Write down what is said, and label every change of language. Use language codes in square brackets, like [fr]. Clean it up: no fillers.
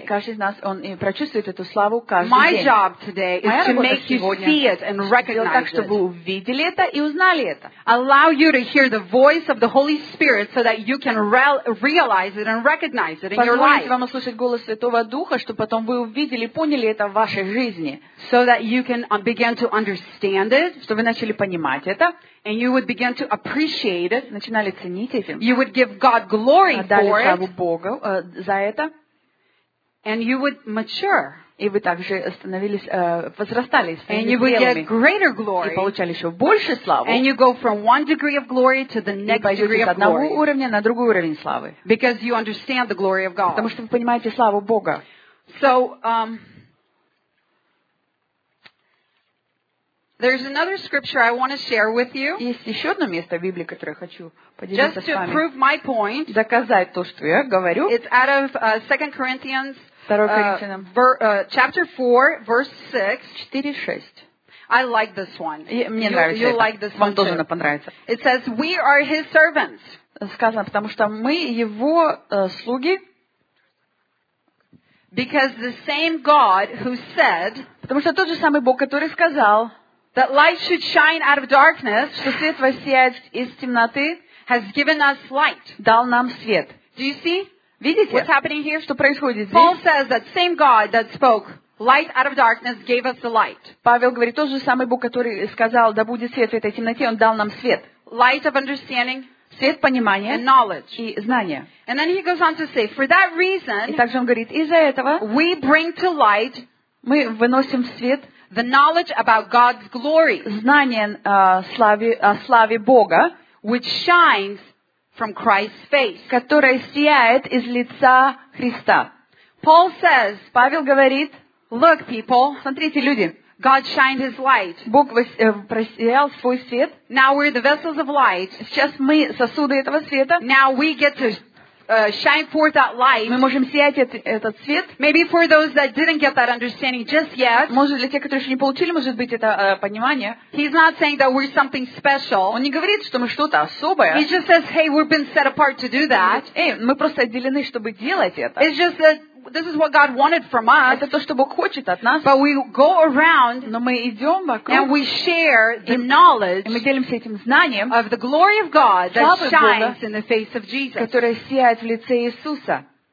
[ru] И каждый из нас он прочувствует эту славу каждый [en] My [ru] день. [en] My job today is [ru] Моя [en] to make you see it and recognize [ru] так, чтобы [en] it. [ru] Увидели это и узнали это. [en] Allow you to hear the voice of the Holy Spirit so that you can realize it and recognize it in [ru] Позволите Позвольте вам услышать голос Святого Духа, чтобы потом вы увидели, поняли это в вашей жизни. [en] So that you can begin to understand it. [ru] Чтобы вы начали понимать это. [en] And you would begin to appreciate it. [ru] Начинали ценить этим. [en] You would give God glory for it. [ru] Отдали славу Богу за это. [en] And you would mature. [ru] И вы также становились, возрастали. [en] And you would get greater glory. [ru] И получали еще больше славы. [en] And you go from one degree of glory to the next degree of glory. [ru] И пойдете с одного уровня на другой уровень славы. [en] Because you understand the glory of God. [ru] Потому что вы понимаете славу Бога. [en] So, There's another scripture I want to share with you. [ru] Есть еще одно место в Библии, которое хочу поделиться [en] Just [ru] с вами. [en] Just to prove my point. [ru] Доказать то, что я говорю. [en] It's out of 2 Corinthians chapter 4, verse 6. [ru] 4:6. [en] I like this one. [ru] Мне нравится. [en] You'll like this [ru] Вам [en] one [ru] тоже [en] too. [ru] Понравится. [en] It says, "We are His servants." [ru] Сказано, потому что мы Его слуги. [en] Because the same God who said, [ru] потому что тот же самый Бог, который сказал, [en] that light should shine out of darkness, [ru] что свет воссияет из темноты, [en] has given us light. [ru] Дал нам свет. [en] Do you see? [ru] Видите? [en] What's happening here? [ru] Что происходит здесь? [en] Paul says that same God that spoke. Light out of darkness gave us the light. [ru] Павел говорит, тот же самый Бог, который сказал, да будет свет в этой темноте, он дал нам свет. [en] Light of understanding, [ru] свет понимания [en] and knowledge. [ru] И знания. [en] And then he goes on to say, for that reason, [ru] и также он говорит, из-за этого [en] we bring to light, [ru] мы выносим в свет [en] the knowledge about God's glory, [ru] знание о славе Бога, [en] which shines from Christ's face, [ru] которое сияет из лица Христа. [en] Paul says, [ru] Павел говорит, [en] Look, people. [ru] Смотрите, люди. [en] God shined His light. [ru] Бог просиял свой свет. [en] Now we're the vessels of light. [ru] Сейчас мы сосуды этого света. [en] Now we get to shine forth that light. [ru] Мы можем сиять этот свет. [en] Maybe for those that didn't get that understanding just yet. [ru] Может, для тех, которые еще не получили, может быть, это понимание. [en] He's not saying that we're something special. [ru] Он не говорит, что мы что-то особое. [en] He just says, "Hey, we've been set apart to do that." [ru] Эй, мы просто отделены, чтобы делать это. [en] It's just that. This is what God wanted from us. [ru] Это то, что Бог хочет от нас. [en] But we go around, [ru] но мы идем вокруг, [en] and we share the knowledge, [ru] и мы делимся этим знанием, [en] of the glory of God that shines in the face of Jesus, [ru] которая сияет в лице Иисуса.